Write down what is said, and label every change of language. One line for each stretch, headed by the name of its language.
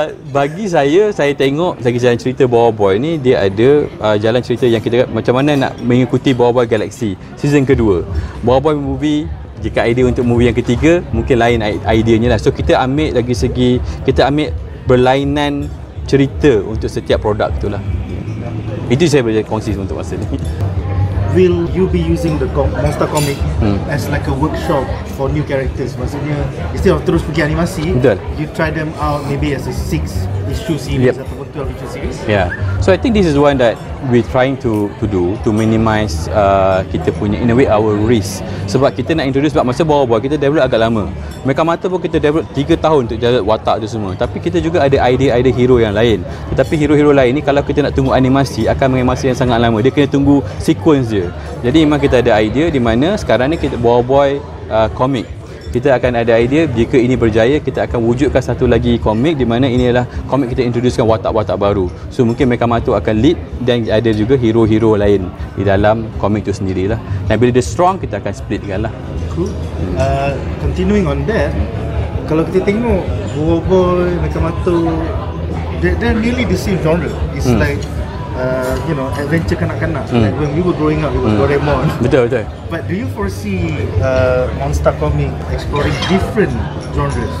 Malay: Bagi saya tengok segi jalan cerita Boboiboy ni, dia ada jalan cerita yang kita macam mana nak mengikuti Boboiboy Galaxy season kedua. Boboiboy movie, jika idea untuk movie yang ketiga, mungkin lain ideanya lah. So kita ambil dari segi, kita ambil berlainan cerita untuk setiap produk tu lah. Itu saya boleh kongsi untuk masa ni.
English: Will you be using the Monster Comic as like a workshop for new characters?
Malay: Maksudnya,
English: instead of
Malay: terus pergi animasi, betul,
English: you try them out maybe as a 6 issue series ataupun 12 issue series? Yeah. So I think this is one that we're trying to do to minimize
Malay: kita punya,
English: in a way, our risk.
Malay: Sebab kita nak introduce, sebab masa Boboiboy kita develop agak lama. Mereka Mata pun kita develop 3 tahun untuk jalan watak tu semua. Tapi kita juga ada idea-idea hero yang lain. Tetapi hero-hero lain ni, kalau kita nak tunggu animasi, akan mengambil masa yang sangat lama. Dia kena tunggu sequence dia. Jadi memang kita ada idea di mana sekarang ni kita Boboiboy comic. Kita akan ada idea, jika ini berjaya, kita akan wujudkan satu lagi komik di mana inilah komik kita introducekan watak-watak baru. So mungkin Mecha Mato akan lead dan ada juga hero-hero lain di dalam komik itu sendirilah. Dan bila dia strong, kita akan splitkan lah.
English: Cool. Continuing on that,
Malay: kalau kita tengok
English: Boboiboy, Mecha Mato, they're nearly the same genre. It's like you know, adventure kanak-kanak. Like when we were growing up, it was Doraemon.
Malay: Betul, betul.
English: But do you foresee Monster Comic exploring different genres?